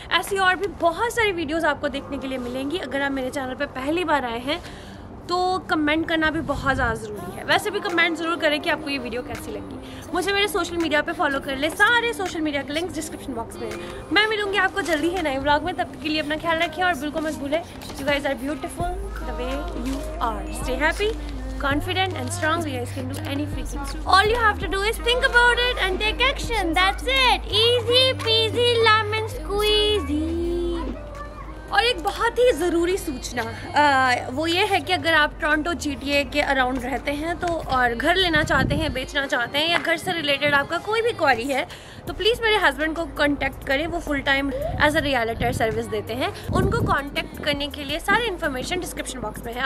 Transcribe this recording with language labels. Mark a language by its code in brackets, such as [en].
[hi] ऐसी और भी बहुत सारी वीडियोस आपको देखने के लिए मिलेंगी। अगर आप मेरे चैनल पे पहली बार आए हैं तो कमेंट करना भी बहुत ज़्यादा ज़रूरी है। वैसे भी कमेंट ज़रूर करें कि आपको ये वीडियो कैसी लगी। मुझे मेरे सोशल मीडिया पर फॉलो कर लें, सारे सोशल मीडिया के लिंक्स डिस्क्रिप्शन बॉक्स में है। मैं मिलूँगी आपको जल्दी ही नए व्लॉग में, तब के लिए अपना ख्याल रखें और बिल्कुल मत भूलें, [en] You guys are beautiful the way you are. Stay happy, confident and strong. You guys can do any freaking thing. All you have to do is think about it and take action. That's it. Easy peasy lemon squeezy. [hi] और एक बहुत ही ज़रूरी सूचना वो ये है कि अगर आप टोरंटो GTA के अराउंड रहते हैं तो और घर लेना चाहते हैं, बेचना चाहते हैं या घर से रिलेटेड आपका कोई भी क्वारी है तो प्लीज़ मेरे हस्बैंड को कॉन्टैक्ट करें। वो full time as a रियलिटर service देते हैं। उनको कॉन्टैक्ट करने के लिए सारे इन्फॉर्मेशन डिस्क्रिप्शन बॉक्स में है।